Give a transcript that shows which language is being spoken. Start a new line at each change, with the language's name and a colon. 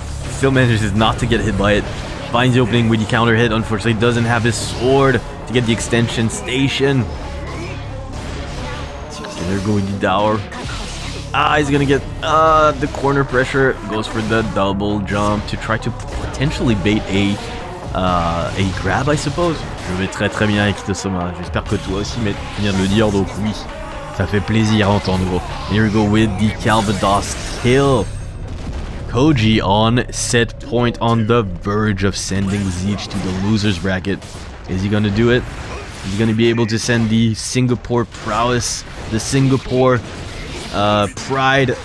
English: Still manages not to get hit by it. Finds the opening with the counter hit, unfortunately doesn't have his sword to get the extension station. And they're going to Dower. Ah, he's gonna get the corner pressure. Goes for the double jump to try to potentially bait a grab, I suppose.
French: Je vais très très bien, Ekidona. J'espère que toi aussi, mais tu viens de le dire, donc oui. Ça fait plaisir à entendre, gros.
English: And here we go with the Calvados kill. Kouji on set point on the verge of sending Zeidge to the loser's bracket. Is he gonna do it? Is he gonna be able to send the Singapore prowess, the Singapore pride?